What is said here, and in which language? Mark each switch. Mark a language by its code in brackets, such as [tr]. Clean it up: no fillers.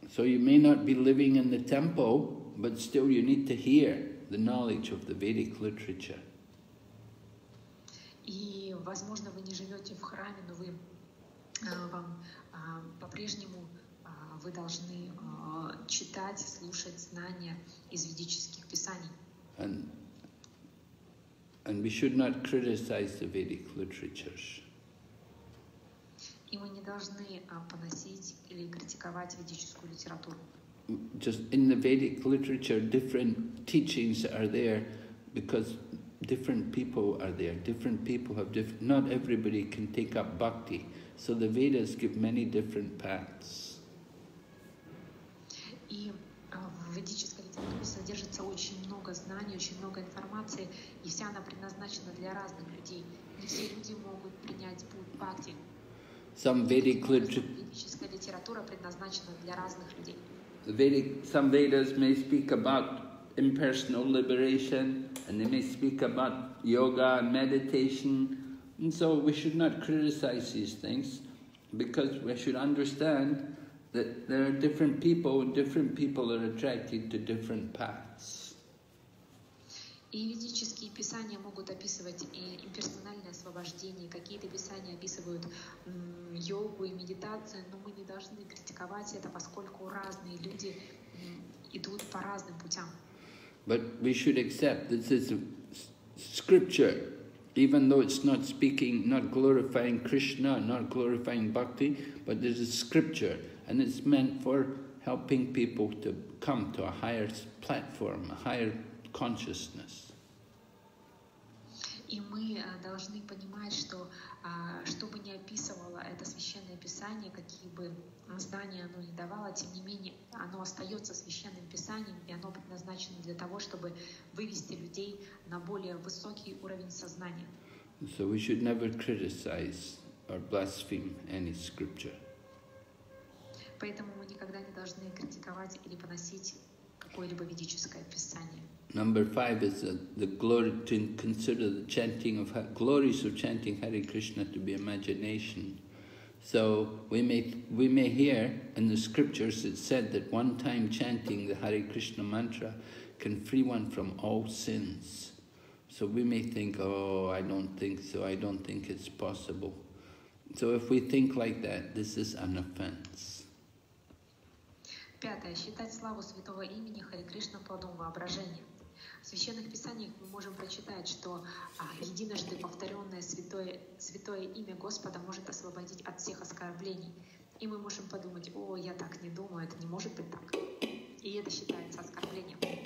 [en] So you may not be living in the temple, but still you need to hear the knowledge of the Vedic literature. [ru] И, возможно, вы не живете в храме, но вы вам по-прежнему вы должны читать, слушать знания из ведических писаний. [en] And we should not criticize the Vedic literatures. [ru] И мы не должны поносить или критиковать ведическую литературу. [en] Just in the Vedic literature, different teachings are there because different people are there. Different people have different. Not everybody can take up bhakti. So the Vedas give many different paths. [ru] И в ведической литературе содержится очень много знаний, очень много информации, и вся она предназначена для разных людей. Не все люди могут принять путь бхакти. [en] Some Vedas may speak about impersonal liberation, and they may speak about yoga and meditation. And so we should not criticize these things, because we should understand that there are different people, and different people are attracted to different paths. [ru] И ведические писания могут описывать и имперсональное освобождение, какие-то писания описывают йогу и медитацию, но мы не должны критиковать это, поскольку разные люди идут по разным путям. [en] But we should accept that this is scripture, even though it's not speaking, not glorifying Krishna, not glorifying bhakti, but this is scripture, and it's meant for helping people to come to a higher platform, a higher consciousness. [ru] И мы должны понимать, что что бы ни описывало это священное писание, какие бы знания оно ни давало, тем не менее оно остается священным писанием, и оно предназначено для того, чтобы вывести людей на более высокий уровень сознания. [en] So we should never criticize or blaspheme any scripture. [ru] Поэтому мы никогда не должны критиковать или поносить какое-либо ведическое писание. [en] Number five is the glory, to consider the chanting of glories of chanting Hare Krishna to be imagination. So we may hear in the scriptures it said that one time chanting the Hare Krishna mantra can free one from all sins. So we may think, oh, I don't think so, I don't think it's possible. So if we think like that, this is an offense. [ru] Пятое. Считать славу святого имени Харе Кришна плодом воображения. В священных писаниях мы можем прочитать, что единожды повторенное святое имя Господа может освободить от всех оскорблений. И мы можем подумать, о, я так не думаю, это не может быть так. И это считается оскорблением.